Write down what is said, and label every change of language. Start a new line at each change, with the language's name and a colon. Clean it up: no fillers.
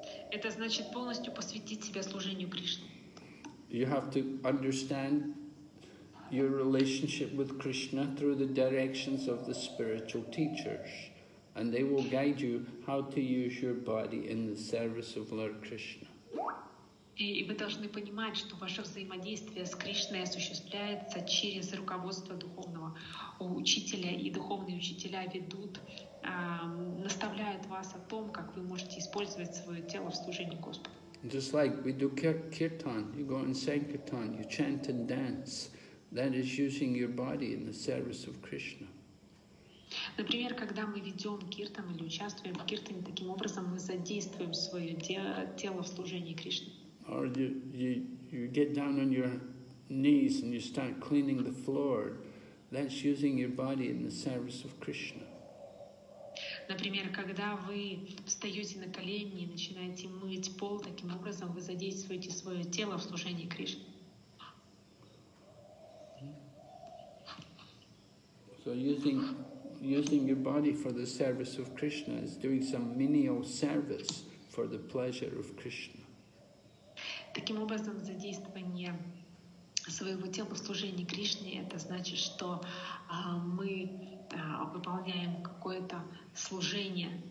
Russian: Это значит полностью посвятить себя служению Кришне.
English: You have to understand your relationship with Krishna through the directions of the spiritual teachers, and they will guide you how to use your body in the service of Lord Krishna.
Russian: И вы должны понимать, что ваше взаимодействие с Кришной осуществляется через руководство духовного учителя, и духовные учителя ведут наставляет вас о том, как вы можете использовать свое тело в служении Господу.
English: Just like we do kirtan, you go and sing kirtan, you chant and dance. That is using your body in the service of Krishna.
Russian: Например, когда мы ведем киртан или участвуем в киртане, таким образом мы задействуем свое тело в служении Кришне.
English: Or you get down on your knees and you start cleaning the floor. That's using your body in the service of Krishna.
Russian: Например, когда вы встаете на колени и начинаете мыть пол, таким образом вы задействуете свое тело в служении Кришне.
English: So using your body for the service of Krishna is doing some menial service for the pleasure of Krishna.
Russian: Таким образом, задействование своего тела в служении Кришне, это значит, что мы выполняем какое-то служение.